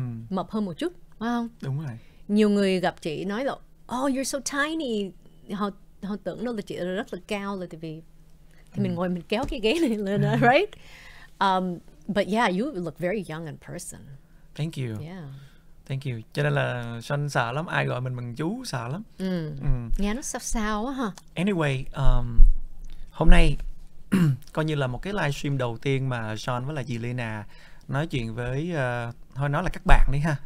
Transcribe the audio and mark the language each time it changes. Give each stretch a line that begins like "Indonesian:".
Vietnamese: Mập hơn một chút, phải không? Đúng rồi. Nhiều người gặp chị nói là
English: oh you're so tiny.
Vietnamese: Họ tưởng đó là chị rất là cao là tại vì thì mình ngồi mình kéo cái ghế này lên đó, right?
English: But yeah, you look very young in person. Thank you. Yeah. Thank you.
Vietnamese: Cho nên là Sean sợ lắm, ai gọi mình bằng chú sợ lắm. Nghe nó sao sao á hả? Anyway, hôm nay coi như là một cái live stream đầu tiên mà Sean với là chị Leyna nói chuyện với, thôi nói là các bạn đi ha.